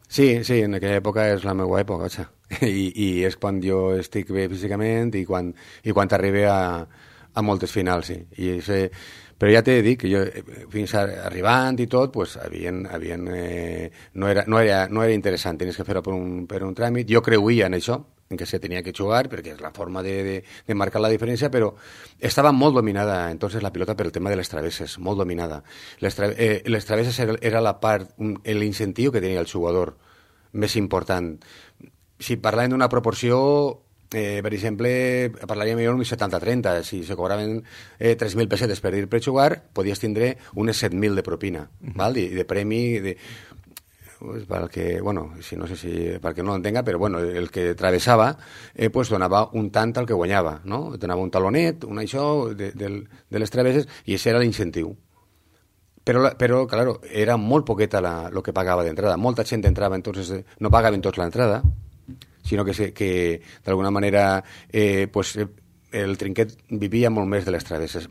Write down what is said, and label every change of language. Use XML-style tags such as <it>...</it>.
<ca>Sí, sí, en aquella època és la meva època, oixa. I és quan jo estic bé físicament i quan arribo a moltes finals, sí. I és, però ja t'he dit que jo, fins arribant i tot, pues, havien, no era interessant, tenies que fer-ho per un tràmit. Jo creuia en això,</ca> <es>en que se tenía que jugar, porque es la forma de marcar la diferencia, pero estaba muy dominada entonces la pilota por el tema de las traveses, muy dominada. Las traveses era la part, el incentivo que tenía el jugador</es> <ca>més important. Si parlàvem d'una proporció, per exemple, parlaríem millor un 70-30. Si se cobraven 3.000 pessetes per dir per jugar, podies tindre unes 7.000 de propina, uh-huh. Val? I de premi, de...</ca> <es>Pues, para el que, bueno, si no sé si para que no lo entenga, pero bueno, el que travesaba, pues donaba</es> <ca>un tant al que guanyava,</ca> <es>¿no?</es> <ca>Donaba un talonet, un això de les traveses, i ese era l'incentiu. Però, claro, era molt poqueta lo que pagava d'entrada. Molta gent entrava, entonces no pagaven tots l'entrada, sinó que d'alguna manera, pues el trinquet vivia molt més de les traveses.</ca>